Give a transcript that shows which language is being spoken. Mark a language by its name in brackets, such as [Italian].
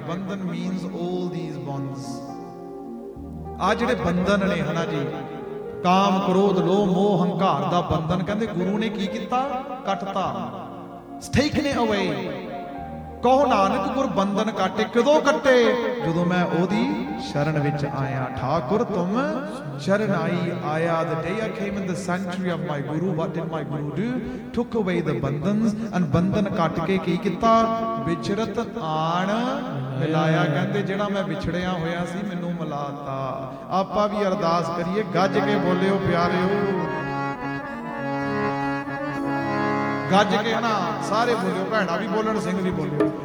[Punjabi] ਬੰਧਨ [English] means all these ਬੰਧਸ, [Punjabi] ਆ ਜਿਹੜੇ ਬੰਧਨ ਨੇ ਹਨਾ ਜੀ, ਕਾਮ ਕ੍ਰੋਧ ਲੋਭ ਮੋਹ ਹੰਕਾਰ ਦਾ ਬੰਧਨ ਕਹਿੰਦੇ ਗੁਰੂ ਨੇ ਕੀ ਕੀਤਾ, ਕੱਟਤਾ, [English] ਸਟੇਕਨੇ ਅਵੇ। [Punjabi] ਕਹੋ ਨਾਨਕ ਗੁਰ ਬੰਧਨ ਕਾਟੇ, ਕਦੋਂ ਕੱਟੇ, ਜਦੋਂ ਮੈਂ ਉਹਦੀ ਸ਼ਰਨ ਵਿੱਚ ਆਇਆ। ਠਾਕੁਰ ਤੁਮ ਸ਼ਰਨ ਆਈ ਆਇਆ, [English] the day I came in the sanctuary of my guru, what did my guru do? Took away the bandhans and [Punjabi] bandhan ਕੱਟ ਕੇ ਕੀ ਕੀਤਾ, ਵਿਚਰਤ ਆਣ ਮਿਲਾਇਆ। ਕਹਿੰਦੇ ਜਿਹੜਾ ਮੈਂ ਵਿਛੜਿਆ ਹੋਇਆ ਸੀ ਮੈਨੂੰ ਮਿਲਾਤਾ। ਆਪਾਂ ਵੀ ਅਰਦਾਸ ਕਰੀਏ, ਗੱਜ ਕੇ ਬੋਲਿਓ ਪਿਆਰਿਓ, ਗੱਜ ਕੇ ਨਾ ਸਾਰੇ ਬੋਲਿਓ, ਭੈਣਾਂ ਵੀ ਬੋਲਣ, ਸਿੰਘ ਵੀ ਬੋਲਿਓ।